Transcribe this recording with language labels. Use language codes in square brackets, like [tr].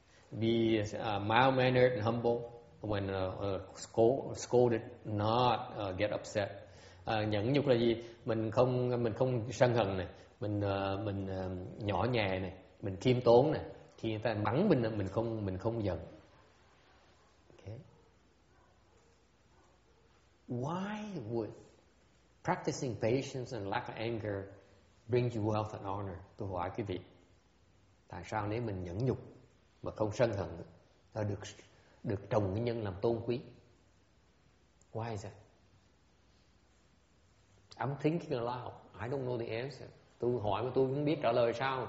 [en] Be mild mannered and humble when scolded. Not get upset. [vi] Nhẫn nhục là gì? Mình không sân hận này, mình nhỏ nhẹ này, mình khiêm tốn này, khi người ta mắng mình không giận. [en] Okay. Why would practicing patience and lack of anger bring you wealth and honor? [vi] Tôi hỏi quý vị, tại sao nếu mình nhẫn nhục mà không sân hận, ta được trồng cái nhân làm tôn quý? [en] Why is that? I'm thinking aloud. I don't know the answer. [vi] Tôi hỏi mà tôi không biết trả lời sao.